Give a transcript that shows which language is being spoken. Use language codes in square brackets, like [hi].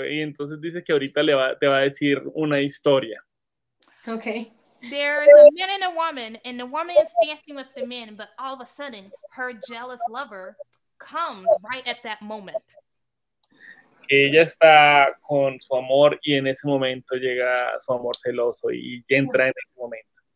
[es] Y entonces dice que ahorita te va a decir una historia. [en] Okay. There's a man and a woman, and the woman is dancing with the man, but all of a sudden, her jealous lover comes right at that moment. [es] Ella está con su amor, y en ese momento llega su amor celoso, y entra en ese momento.